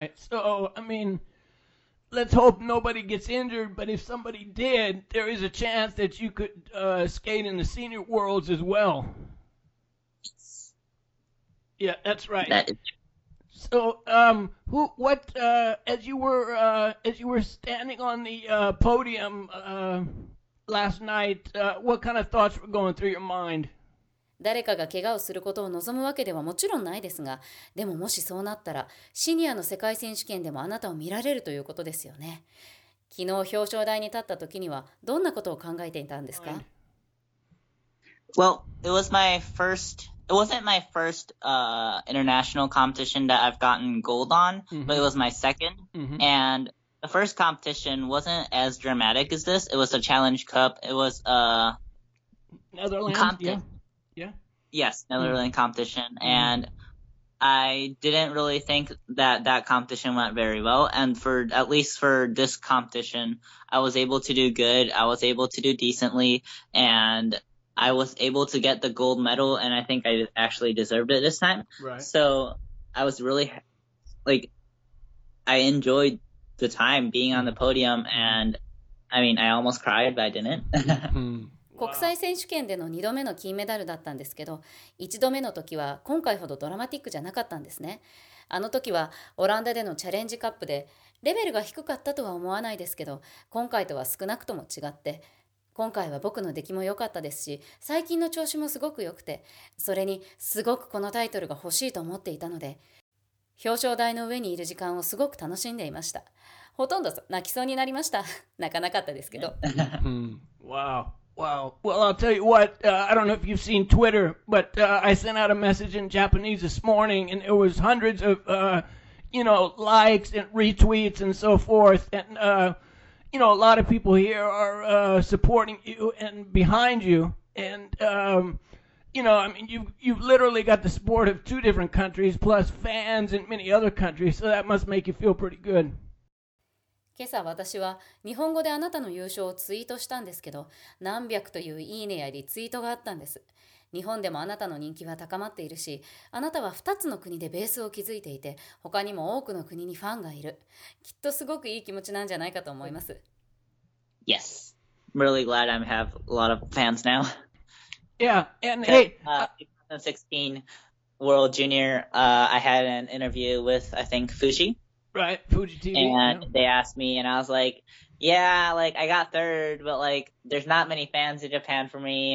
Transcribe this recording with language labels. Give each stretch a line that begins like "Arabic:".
English: So, I mean, let's hope nobody gets injured, but if somebody did, there is a chance that you could skate in the senior worlds as well. Yeah, that's right. That is. So, who, what, as you were standing on the podium last night, what kind of thoughts were going through your mind?
Japanese: 誰かが怪我をすることを望むわけではもちろんないですが、でももしそうなったら、シニアの世界選手権でもあなたを見られるということですよね。昨日表彰台に立った時には、どんなことを考えていたんですか？
English: Well, it was my first, it wasn't my first international competition that I've gotten gold on, but it was my second. And the first competition wasn't as dramatic as this. It was a Challenge Cup. It was a Netherlands, competition. Yes, Netherlands competition. And I didn't really think that that competition went very well. And for at least for this competition, I was able to do good. I was able to do decently. And I was able to get the gold medal. And I think I actually deserved it this time. Right. So I was really like, I enjoyed the time being on the podium. And I mean, I almost cried, but I didn't.
Japanese: 国際選手権での2度目の金メダルだったんですけど、1度目の時は今回ほどドラマティックじゃなかったんですね。あの時はオランダでのチャレンジカップでレベルが低かったとは思わないですけど、今回とは少なくとも違って、今回は僕の出来も良かったですし、最近の調子もすごく良くて、それにすごくこのタイトルが欲しいと思っていたので、表彰台の上にいる時間をすごく楽しんでいました。ほとんど泣きそうになりました。泣かなかったですけど。
English: Wow. Wow. Well, I'll tell you what, I don't know if you've seen Twitter, but I sent out a message in Japanese this morning, and it was hundreds of, you know, likes and retweets and so forth. And, you know, a lot of people here are supporting you and behind you. And, you know, I mean, you've literally got the support of two different countries, plus fans in many other countries. So that must make you feel pretty good.
Japanese: 今朝私は日本語であなたの優勝をツイートしたんですけど、何百といういいねやリツイートがあったんです。日本でもあなたの人気は高まっているし、あなたは2つの国でベースを築いていて、他にも多くの国にファンがいる。きっとすごくいい気持ちなんじゃないかと思います。
English: Yes, I'm really glad I have a lot of fans now. Yeah, and hey, 2016 World Junior, I had an interview with, I think, Fuji. Right, Fuji TV. And you know, they asked me, and I was like, yeah, like, I got third, but, like, there's not many fans in Japan for me.